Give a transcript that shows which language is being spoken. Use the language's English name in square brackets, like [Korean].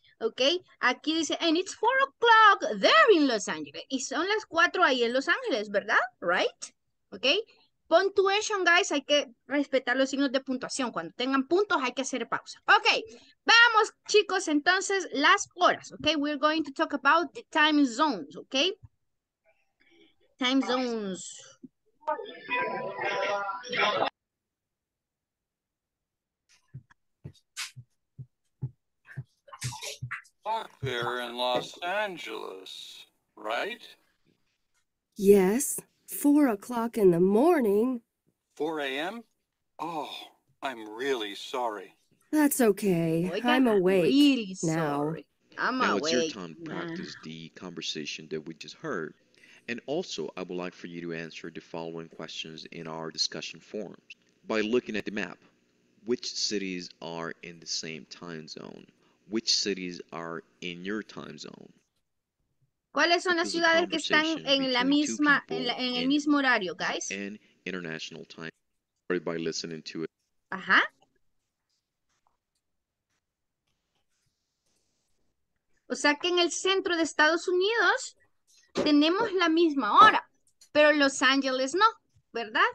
[English] Ok, [Spanish] aquí dice, [English] and it's 4 o'clock there in Los Angeles. [Spanish] Y son las 4 ahí en Los Ángeles, ¿verdad? [English] Right? Ok. Puntuation, guys, [Spanish] hay que respetar los signos de puntuación. Cuando tengan puntos, hay que hacer pausa. Ok, vamos, chicos, entonces, las horas. [English] Ok, we're going to talk about the time zones, ok? Time zones. Clock there in Los Angeles, right? Yes. 4 o'clock in the morning. 4 a.m.? Oh, I'm really sorry. That's okay. I'm awake now. Now it's your time to practice the conversation that we just heard. And also, I would like for you to answer the following questions in our discussion forums. By looking at the map, which cities are in the same time zone? Which cities are in your time zone? [Spanish] ¿Cuáles son las ciudades que están en la misma, en el mismo horario, guys? [English] And international time. Sorry, by listening to it. Ajá. [Spanish] O sea que en el centro de Estados Unidos tenemos la misma hora, pero Los Ángeles no, ¿verdad?